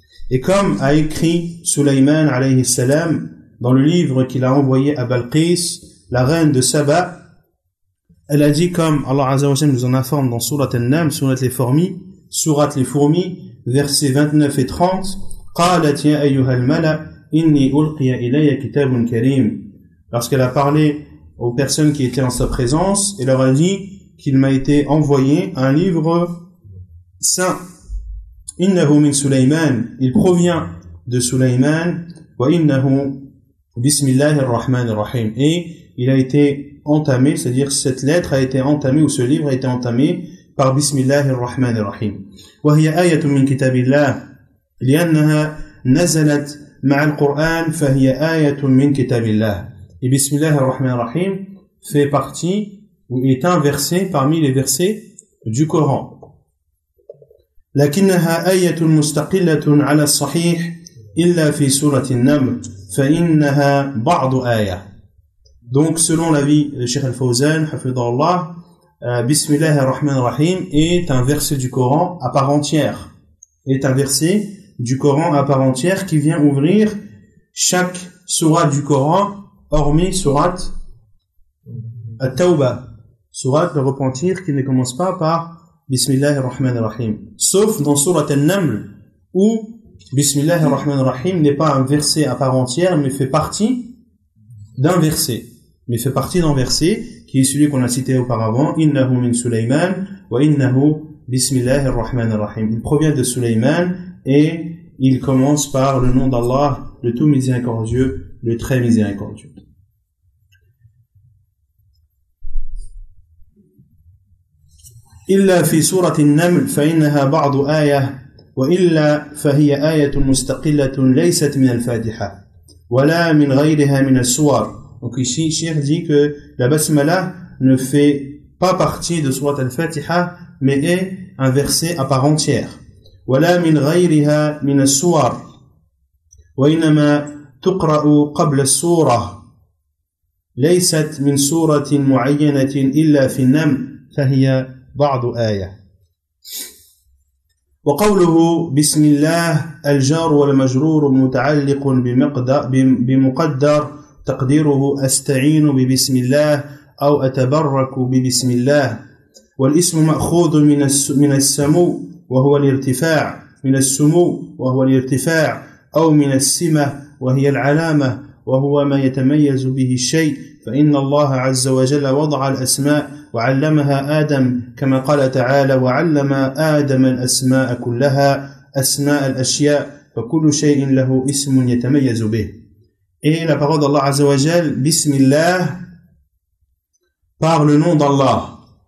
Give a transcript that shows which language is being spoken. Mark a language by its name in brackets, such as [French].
[French] Et comme a écrit Sulayman alayhi salam dans le livre qu'il a envoyé à Balqis, la reine de Saba, elle a dit, comme Allah Azza wa Jalla nous en informe dans Surat An-Naml, Surat les fourmis, versets 29 et 30, [Arabic] قالت يا أيها الملأ إني ألقي إلي كتاب كريم. [French] Lorsqu'elle a parlé aux personnes qui étaient en sa présence, elle leur a dit qu'il m'a été envoyé un livre saint. [Arabic] إنه من سليمان. [French] Il provient de Sulayman. [Arabic] وإنه بسم الله الرحمن الرحيم. [French] Et il a été entamé, c'est-à-dire cette lettre a été entamée, ou ce livre a été entamé par [Arabic] بسم الله الرحمن الرحيم. وهي آية من كتاب الله. لأنها نزلت مع القرآن فهي آية من كتاب الله. [French] Et [Arabic] بسم الله الرحمن الرحيم [French] fait partie ou est un verset parmi les versets du Coran. [Arabic] لكنها آية مستقلة على الصحيح إلا في سورة النمل فإنها بعض آية. [French] Donc selon l'avis de Cheikh Al-Fawzan, [Arabic] حفظه الله, بسم الله الرحمن الرحيم [French] est un verset du Coran à part entière. Est un verset du Coran à part entière qui vient ouvrir chaque sourate du Coran hormis sourate At-Tawbah, sourate de repentir qui ne commence pas par Bismillah ar-Rahman ar-Rahim, sauf dans sourate An-Naml où Bismillah ar-Rahman ar-Rahim n'est pas un verset à part entière mais fait partie d'un verset, mais fait partie d'un verset qui est celui qu'on a cité auparavant, [Arabic] Innahu min Sulayman wa innahu Bismillah ar-Rahman ar-Rahim. [French] Il provient de Sulayman et il commence par le nom d'Allah, le tout miséricordieux, le très miséricordieux. [Arabic] إلا في سورة النمل فإنها بعض آية وإلا فهي آية مستقلة ليست من الفاتحة ولا من غيرها من السور. [French] Donc ici, Cheikh dit que la basmala ne fait pas partie de sourate al-Fatiha, mais est un verset à part entière. [Arabic] ولا من غيرها من السور وإنما تقرأ قبل السورة ليست من سورة معينة إلا في النمل فهي بعض آية وقوله بسم الله الجار والمجرور متعلق بمقدر تقديره أستعين ببسم الله أو أتبرك ببسم الله والاسم مأخوذ من السمو وهو الارتفاع من السمو وهو الارتفاع أو من السمة وهي العلامة وهو ما يتميز به الشيء فإن الله عز وجل وضع الأسماء وعلمها آدم كما قال تعالى وعلم آدم الأسماء كلها أسماء الأشياء فكل شيء له اسم يتميز به. [French] Et la parole d'Allah [Arabic] عز وجل بسم الله [French] par le nom d'Allah.